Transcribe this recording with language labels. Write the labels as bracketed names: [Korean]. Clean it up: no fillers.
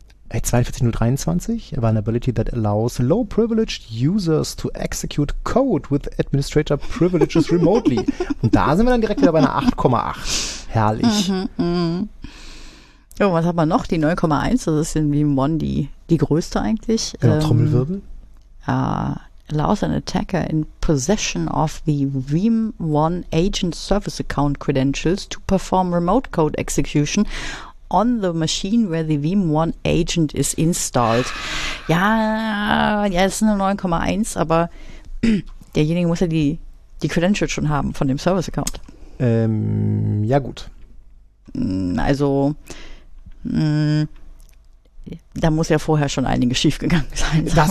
[English] 42023, Vulnerability that allows low-privileged users to execute code with administrator privileges remotely. [German] Und da sind wir dann direkt wieder bei einer 8,8. Herrlich. Mhm. Oh, was hat man noch? Die 9,1, das ist irgendwie Mon die größte eigentlich. Genau, Trommelwirbel. [English] Allows an attacker in possession of the Veeam One Agent Service Account Credentials to perform remote code execution on the machine where the Veeam One Agent is installed. [German] Ja, es ist eine 9,1, aber derjenige muss ja die Credentials schon haben von dem Service Account. Ja, gut. Also, da muss ja vorher schon einiges schiefgegangen sein.